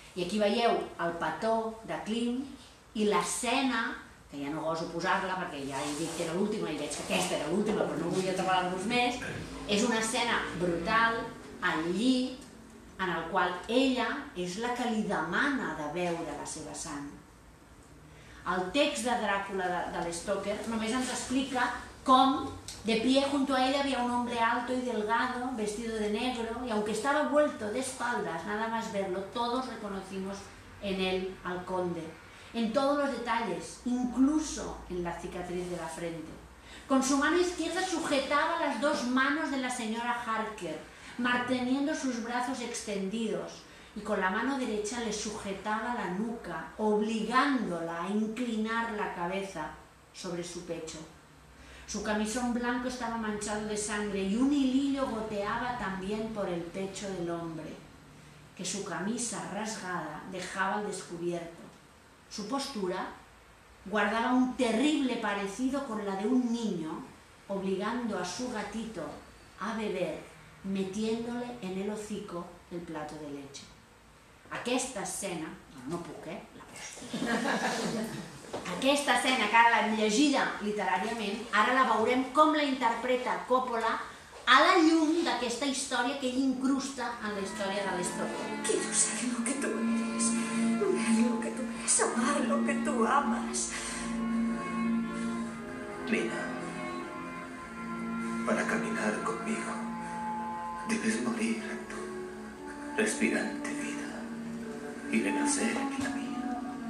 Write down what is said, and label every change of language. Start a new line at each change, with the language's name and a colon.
Catalan: I aquí veieu el petó de Klim i l'escena, que ja no goso posar-la perquè ja he dit que era l'última i veig que aquesta era l'última però no volia treballar-vos més, és una escena brutal al llit en el qual ella és la que li demana de veure la seva sang. El text de Dràcula de l'Stoker només ens explica com
Spanish: de pie junto a ella había un hombre alto y delgado, vestido de negro, y aunque estaba vuelto de espaldas, nada más verlo, todos reconocimos en él al conde. En todos los detalles, incluso en la cicatriz de la frente. Con su mano izquierda sujetaba las dos manos de la señora Harker, manteniendo sus brazos extendidos. Y con la mano derecha le sujetaba la nuca, obligándola a inclinar la cabeza sobre su pecho. Su camisón blanco estaba manchado de sangre y un hilillo goteaba también por el pecho del hombre, que su camisa rasgada dejaba al descubierto. Su postura guardaba un terrible parecido con la de un niño, obligando a su gatito a beber, metiéndole en el hocico el plato de leche.
Catalan: Aquesta escena, no puc, eh? La aquesta escena que ara l'hem llegida literàriament, ara la veurem com la interpreta Coppola a la llum d'aquesta història que ell incrusta en la història de l'Estocolm.
Spanish: Quiero ser lo que tú eres, ver lo que tú eres, amar lo que tú amas. Mira, para caminar conmigo debes morir en tu respirante vida y renacer en la mía.